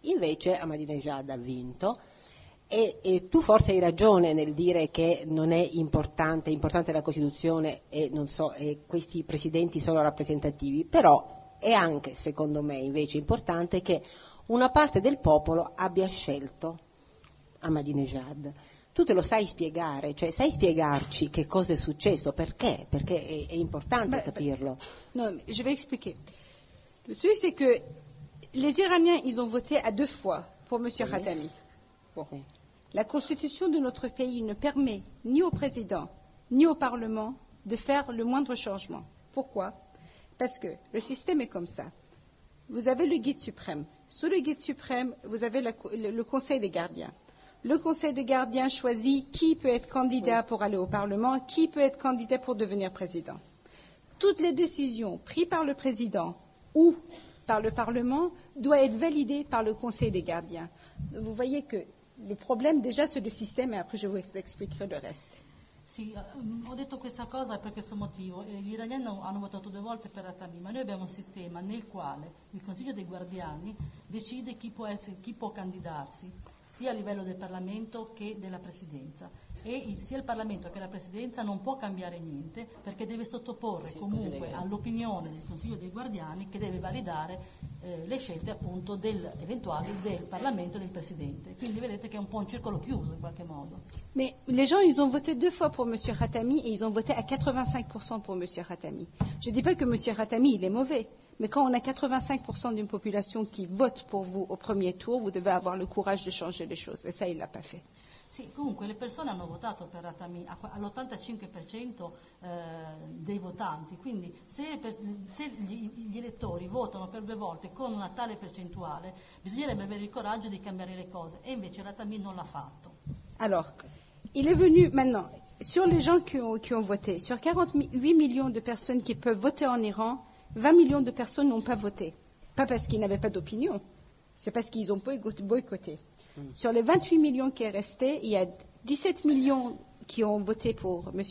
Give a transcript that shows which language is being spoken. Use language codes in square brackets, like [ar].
[it] Invece Ahmadinejad ha vinto, e tu forse hai ragione nel dire che non è importante, è importante la Costituzione e non so, e questi presidenti sono rappresentativi, però è anche, secondo me, invece importante che una parte del popolo abbia scelto Ahmadinejad. Tu te lo sai spiegare, cioè sai spiegarci che cosa è successo, perché? Perché è importante capirlo. [fr] No, je vais expliquer. Le truc c'est que les Iraniens ils ont voté à deux fois pour Monsieur Khatami. Bon. La constitution de notre pays ne permet ni au président ni au parlement de faire le moindre changement. Pourquoi? Parce que le système est comme ça. Vous avez le guide suprême. Sous le guide suprême, vous avez le conseil des gardiens. Le conseil des gardiens choisit qui peut être candidat pour aller au Parlement, qui peut être candidat pour devenir président. Toutes les décisions prises par le président ou par le Parlement doivent être validées par le conseil des gardiens. Vous voyez que le problème, déjà, c'est le système, et après je vous expliquerai le reste. [it] Sì, ho detto questa cosa per questo motivo. Gli italiani hanno votato due volte per Attali, ma noi abbiamo un sistema nel quale il Consiglio dei Guardiani decide chi può candidarsi, sia a livello del Parlamento che della Presidenza. E sia il Parlamento che la Presidenza non può cambiare niente, perché deve sottoporre comunque all'opinione del Consiglio dei Guardiani, che deve validare le scelte appunto eventuali del Parlamento e del Presidente. Quindi vedete che è un po' un circolo chiuso in qualche modo. Ma [fr] le gens, ils ont voté deux fois pour M. Khatami [it] e [fr] ils ont voté à 85% pour M. Khatami. Je ne dis pas que M. Khatami, il est mauvais. Mais quand on a 85% d'une population qui vote pour vous au premier tour, vous devez avoir le courage de changer les choses. Et ça, il ne l'a pas fait. [it] Sì, comunque le persone hanno votato per Khatami all'85% dei votanti, quindi se gli elettori votano per due volte con una tale percentuale, bisognerebbe avere il coraggio di cambiare le cose, e invece Khatami non l'ha fatto. [fr] Allora, il est venu maintenant, sur les gens qui ont voté, sur 48 millions de personnes qui peuvent voter en Iran, 20 millions de personnes n'ont pas voté, pas parce qu'ils n'avaient pas d'opinion, c'est parce qu'ils ont boycotté. Sur les 28 millions qui est resté, il y a 17 millions qui ont voté pour M.